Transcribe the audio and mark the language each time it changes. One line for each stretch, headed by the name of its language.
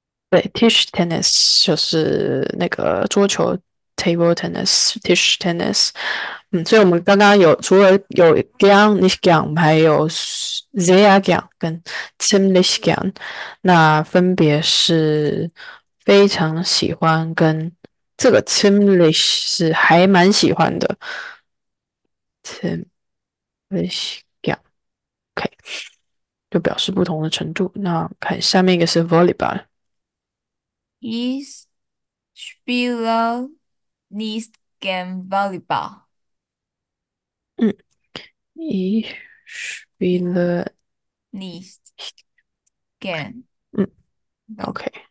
Chinese: 对，Tisch Tennis 就是那个桌球，Table Tennis，Tisch Tennis。所以我们刚刚有除了有 gern nicht gern，还有 sehr gern 跟 ziemlich gern，那分别是非常喜欢跟这个 ziemlich 是还蛮喜欢的，ziemlich。 OK，就表示不同的程度。那看下面一个是 volleyball。
German: Ich spiele nicht gern Volleyball. Ich spiele Nicht gern. OK。